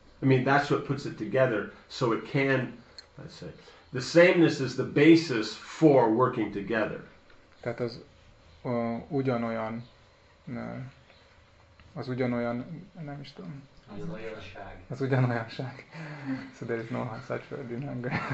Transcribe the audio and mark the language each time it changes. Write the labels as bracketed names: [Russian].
[English] I mean, that's what puts it together, so it can, let's say, the sameness is the basis for working together. [Hungarian] Tehát az ugyanolyan, az ugyanolyan, nem is tudom. Az ugyanolyanság. [English] So there is no such word in anger.